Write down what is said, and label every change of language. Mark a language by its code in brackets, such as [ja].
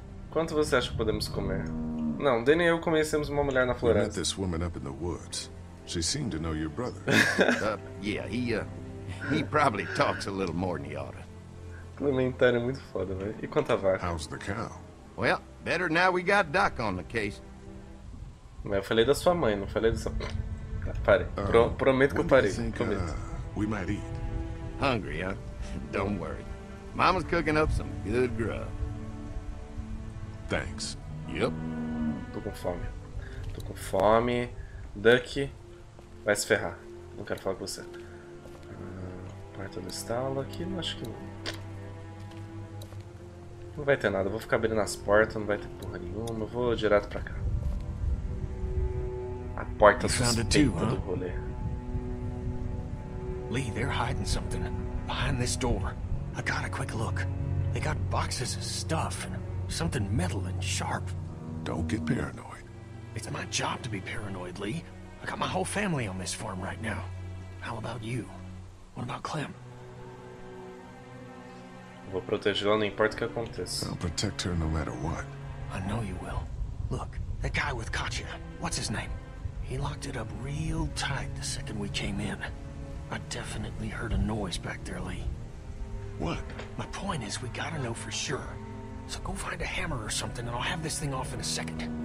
[pt] Quanto você acha que podemos comer? Não, Danny e eu conhecemos uma mulher na floresta. [en] Met this woman up in the woods. She seemed to know your brother. Yeah, he probably talks a little more than he ought to. [pt] Clementine é muito foda, velho. E quanto a vaca? [en] How's the cow? Well, better now we got Doc on the case. [pt] Mas eu falei da sua mãe, não falei da sua... Pare. Prometo que eu parei. [en] Think, we might eat. Hungry, huh? Don't worry. Mama's cooking up some good grub. Thanks. Yep. [pt] Tô com fome. Tô com fome. Ducky vai se ferrar. Não quero falar com você. Porta do estalo aqui, não acho que não. Não vai ter nada, vou ficar abrindo as portas, não vai ter porra nenhuma, vou direto pra cá. A porta suspeita do rolê. [en] Lee, they're hiding something behind this door. I got a quick look. They got boxes of stuff, something metal and sharp. Don't get paranoid. It's my job to be paranoid, Lee. I got my whole family on this farm right now. How about you? What about Clem? [pt] Vou protegê-la, não importa o que aconteça. [en] I'll protect her no matter what. I know you will. Look, that guy with Katya, what's his name? He locked it up real tight the second we came in. I definitely heard a noise back there, Lee. What? My point is, we gotta know for sure. So go find a hammer or something and I'll have this thing off in a second.